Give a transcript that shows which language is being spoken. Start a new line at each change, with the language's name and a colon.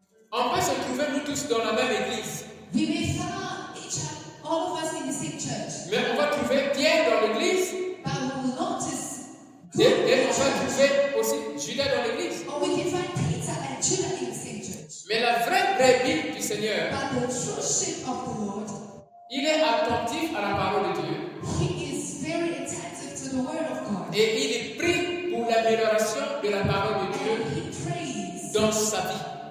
French: On va se trouver nous tous dans la même église.
English: We may find each all of us in the same church.
French: Mais on va trouver Pierre dans l'église.
English: But we will notice good.
French: Et on va trouver aussi Judas dans l'église.
English: Or we can find Peter and Judas in the same church.
French: Mais la vraie brebis du Seigneur.
English: But the true sheep of the Lord.
French: Il est attentif à la parole de Dieu.
English: He is very attentive. The word of God.
French: Et il prie pour l'amélioration de la parole de Dieu dans sa vie.